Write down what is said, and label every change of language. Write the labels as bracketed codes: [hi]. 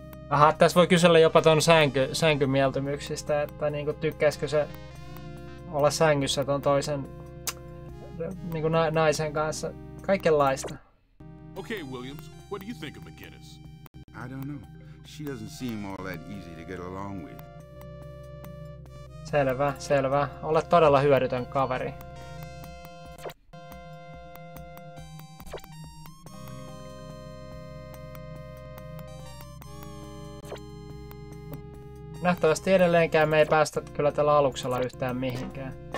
[fi] Aha, tässä voi kysellä jopa ton sänkymieltymyksistä, että niinku tykkäisikö se olla sängyssä ton toisen niinku naisen kanssa. Kaikenlaista. [en] Okay, Williams, what do you think of McGinnis? I don't know. She doesn't seem all that easy to get along with. [fi] Selvä, selvä. Olet todella hyödytön kaveri. Nähtävästi edelleenkään me ei päästä kyllä tällä aluksella yhtään mihinkään.